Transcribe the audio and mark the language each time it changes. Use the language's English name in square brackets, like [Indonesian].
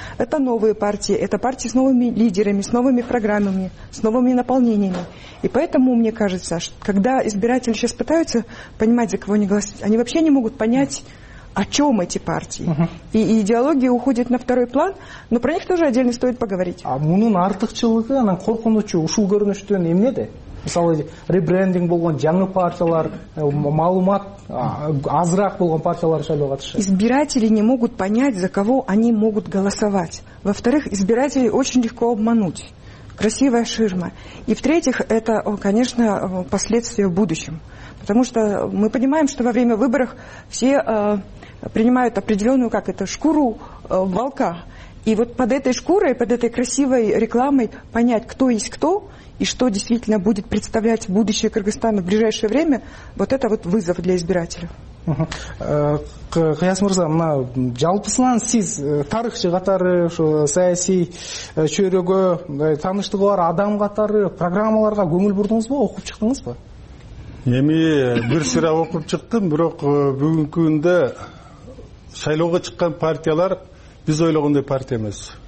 [Russian] Это новые партии, это партии с новыми лидерами, с новыми программами, с новыми наполнениями. И поэтому, мне кажется, что когда избиратели сейчас пытаются понимать, за кого они голосуют, они вообще не могут понять, о чем эти партии? И идеология уходит на второй план, но про них тоже отдельно стоит поговорить. [Kyrgyz] А мунун артыкчылыгы, анан коркунучу ушул көрүнүштөн эмнеде? Мисалы, ребрендинг болгон жаңы партиялар, маалымат азыраак болгон партиялар шайлоо катышат. [Russian] Избиратели не могут понять, за кого они могут голосовать. Во-вторых, избирателей очень легко обмануть. Красивая ширма. И в-третьих, это, конечно, последствия в будущем. Потому что мы понимаем, что во время выборов все принимают определенную, как это, шкуру волка. И вот под этой шкурой, под этой красивой рекламой понять, кто есть кто, и что действительно будет представлять будущее Кыргызстана в ближайшее время, вот это вот вызов для избирателей. [Kyrgyz] Кыяс мырза, мына жалпысынан сиз тарыхчы катары, ошо саясий чөйрөгө тааныштыгы бар адам катары программаларга көңүл бурдуңузбу, окуп чыктыңызбы? Эми бир сыйра окуп чыктым, бирок бүгүнкү күндө шайлоого чыккан партиялар биз ойлогондой партия эмес.